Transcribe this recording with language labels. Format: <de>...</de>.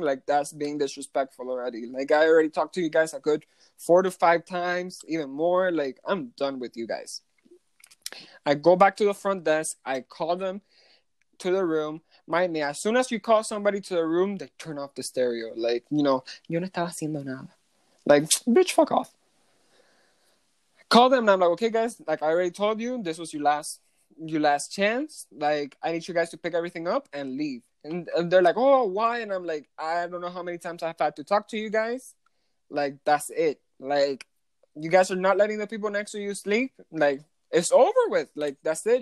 <en>Like, that's being disrespectful already. Like, I already talked to you guys a good 4 to 5 times, even more. Like, I'm done with you guys. I go back to the front desk. I call them to the room. Mind me, as soon as you call somebody to the room, they turn off the stereo. Like, you know,</en> <es>yo no estaba haciendo nada.</es> <en>Like, bitch, fuck off. I call them and I'm like, okay, guys, like, I already told you, this was your last chance. Like, I need you guys to pick everything up and leave. And they're like, oh, why? And I'm like, I don't know how many times I've had to talk to you guys. Like, that's it. Like, you guys are not letting the people next to you sleep. Like, it's over with. Like, that's it.</en>